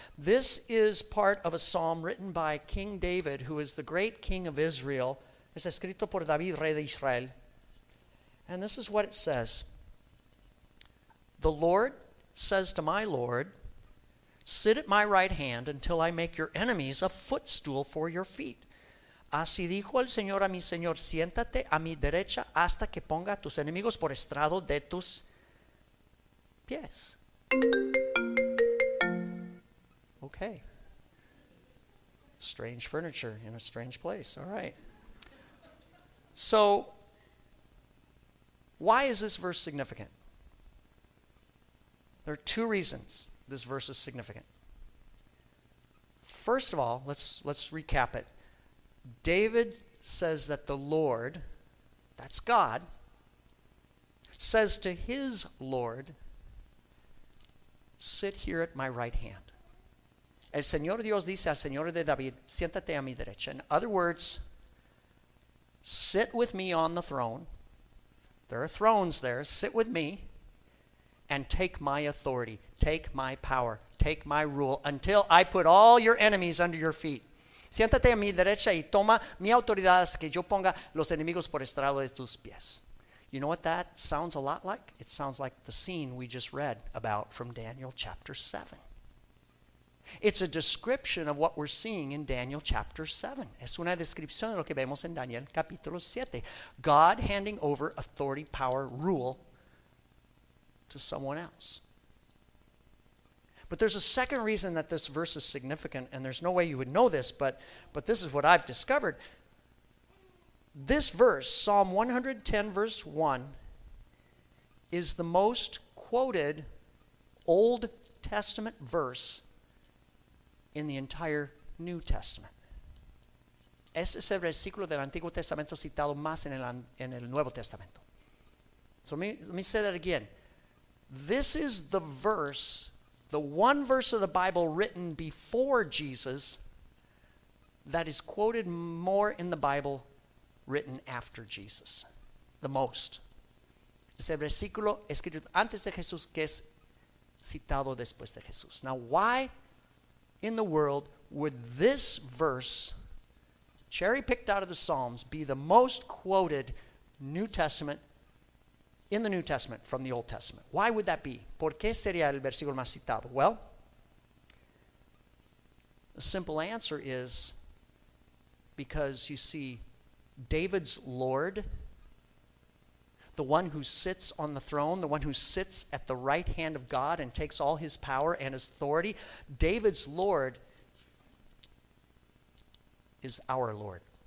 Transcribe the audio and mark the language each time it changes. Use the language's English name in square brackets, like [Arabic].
[English] This is part of a psalm written by King David, who is the great king of Israel. [Spanish] Es escrito por David, rey de Israel. [English] And this is what it says. The Lord says to my Lord, sit at my right hand until I make your enemies a footstool for your feet. [Spanish] Así dijo el Señor a mi Señor, siéntate a mi derecha hasta que ponga a tus enemigos por estrado de tus pies. [English] Okay. Strange furniture in a strange place. All right. So, why is this verse significant? There are two reasons this verse is significant. First of all, let's recap it. David says that the Lord, that's God, says to his Lord, sit here at my right hand. [Spanish] El Señor Dios dice al Señor de David, siéntate a mi derecha. [English] In other words, sit with me on the throne. There are thrones there. Sit with me and take my authority, take my power, take my rule until I put all your enemies under your feet. [Spanish] Siéntate a mi derecha y toma mi autoridad hasta que yo ponga los enemigos por estrado de tus pies. [English] You know what that sounds a lot like? It sounds like the scene we just read about from Daniel chapter 7. It's a description of what we're seeing in Daniel chapter 7. [Spanish] Es una descripción de lo que vemos en Daniel capítulo 7. [English] God handing over authority, power, rule to someone else. But there's a second reason that this verse is significant, and there's no way you would know this, but this is what I've discovered. This verse, Psalm 110, verse 1, is the most quoted Old Testament verse in the entire New Testament. [Spanish] Este es el versículo del Antiguo Testamento citado más en el Nuevo Testamento. [English] So let me say that again. This is the verse, the one verse of the Bible written before Jesus that is quoted more in the Bible written after Jesus, the most. [Spanish] Es el versículo escrito antes de Jesús que es citado después de Jesús. [English] Now, why in the world would this verse, cherry-picked out of the Psalms, be the most quoted New Testament in the New Testament from the Old Testament? Why would that be? [Spanish] ¿Por qué sería el versículo más citado? [English] Well, the simple answer is because, you see, David's Lord, the one who sits on the throne, the one who sits at the right hand of God and takes all his power and his authority, David's Lord is our Lord.